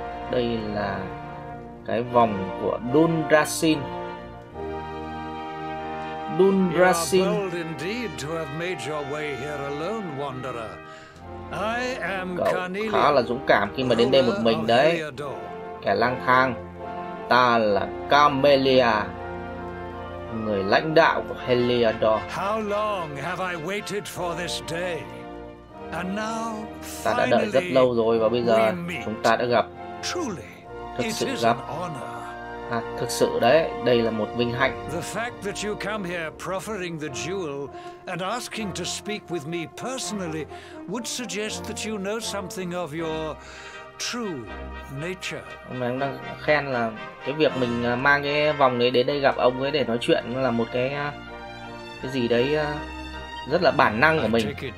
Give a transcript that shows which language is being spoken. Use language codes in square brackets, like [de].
[vi] Đây là cái vòng của Dundrasil. Dundrasil. [en] You are bold indeed to have made your way here alone, wanderer. I am Carnelian. [vi] Khá là dũng cảm khi mà đến đây một mình đấy. Kẻ lang thang. Ta là Camellia, người lãnh đạo của Heliodor. [en] How long have I waited for this day? And now, [vi] ta đã đợi rất lâu rồi và bây giờ chúng ta đã gặp. [en] Truly, [vi] thực sự gặp. À, thực sự đấy, đây là một vinh hạnh. [en] The fact that you come here proffering the jewel and asking to speak with me personally would suggest that you know something of your true nature. [vi] Ông này đang khen là cái việc mình mang cái vòng ấy đến đây gặp ông ấy để nói chuyện là một cái gì đấy rất là bản năng của mình.